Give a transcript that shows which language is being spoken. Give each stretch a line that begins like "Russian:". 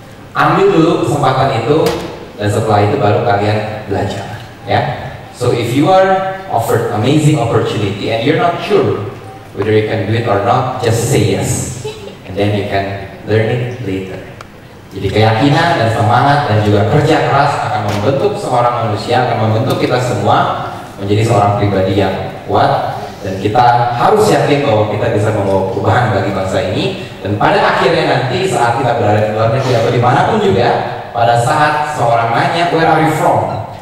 Indonesian: Ambil dulu kesempatan itu dan setelah itu baru kalian belajar, ya.
English: So if you are offered amazing opportunity and you're not sure whether you can do it or not, just say yes and then you can learn it later.
Indonesian: Jadi keyakinan dan semangat dan juga kerja keras akan membentuk seorang manusia, akan membentuk kita semua menjadi seorang pribadi yang kuat. Dan kita harus yakin bahwa kita bisa membawa perubahan bagi bangsa ini. Dan pada akhirnya nanti saat kita berada di luar negeri atau dimanapun juga, pada saat seorang nanya,
English: where are you from?